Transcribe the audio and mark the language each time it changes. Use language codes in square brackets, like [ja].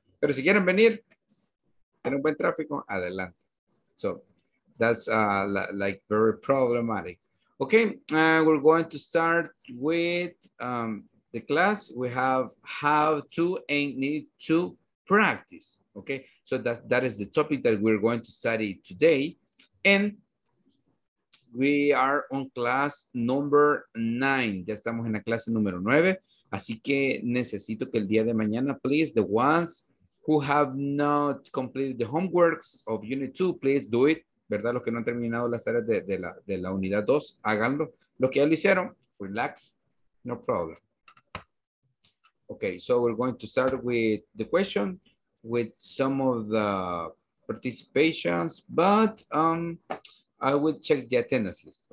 [es] Pero si quieren venir, tienen un buen tráfico, adelante. [en] So that's like very problematic. Okay, we're going to start with the class. We have how to and need to practice. Okay, so that is the topic that we're going to study today. And we are on class number 9. [es] Ya estamos en la clase número 9. Así que necesito que el día de mañana, [en] please, the ones who have not completed the homeworks of Unit 2, please do it. [es] ¿Verdad? Los que no han terminado las áreas de la unidad 2, háganlo. Los que ya lo hicieron, [en] relax, no problem. Okay, so we're going to start with the question, with some of the participations, but I will check the attendance list.